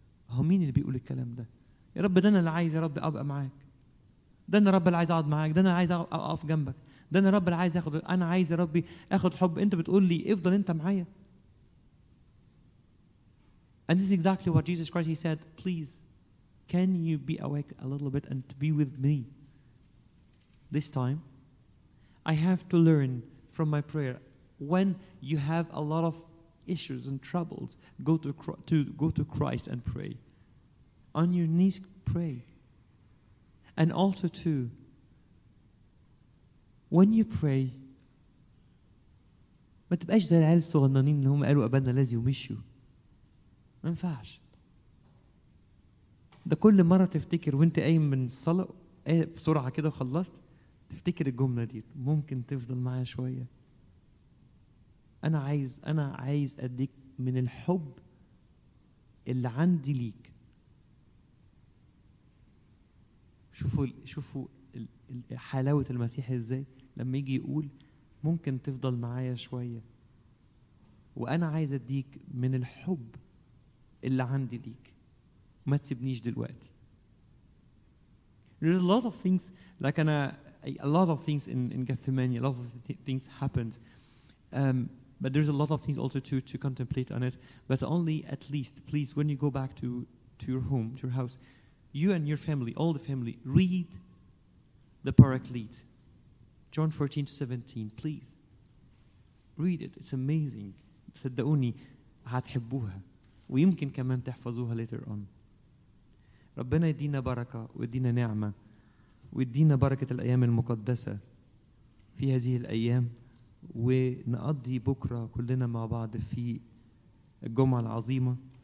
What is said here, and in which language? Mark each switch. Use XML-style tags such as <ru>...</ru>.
<ar>هو مين اللي بيقول الكلام ده؟ يا رب ده أنا اللي عايز يا رب أبقى معاك, ده أنا رب اللي عايز أقعد معاك, ده أنا عايز أقف جنبك, ده أنا رب اللي عايز أخد, أنا عايز يا ربي أخد حب. أنت بتقول لي افضل أنت معايا.</ar> <en>And this is exactly what Jesus Christ he said, please can you be awake a little bit and to be with me this time. I have to learn from my prayer. When you have a lot of issues and troubles, go to Christ and pray. On your knees, pray. And also too, when you pray,</en> <ar>ما تبقاش زي العيال الصغنانين اللي هم قالوا أبانا لازي ومشوا. ما ينفعش. ده كل مرة تفتكر وانت قايم من الصلاة بسرعة كده وخلصت, افتكر الجملة دي, ممكن تفضل معايا شوية. أنا عايز أديك من الحب اللي عندي ليك. شوفوا حلاوة المسيح إزاي لما يجي يقول ممكن تفضل معايا شوية وأنا عايز أديك من الحب اللي عندي ليك ما تسيبنيش دلوقتي.</ar> <en>There's a lot of things like a lot of things in Gethsemane, a lot of things happened, but there's a lot of things also to contemplate on it. But only at least, please, when you go back to your home, to your house, you and your family, all the family, read the Paraclete, John 14 to 17. Please read it. It's amazing.</en> <ar>صدقوني هتحبوها ويمكن كمان تحفظوها</ar> <en>later on.</en> <ar>ربنا يدينا بركة ويدينا نعمة ويدينا بركة الأيام المقدسة في هذه الأيام ونقضي بكرة كلنا مع بعض في الجمعة العظيمة.</ar>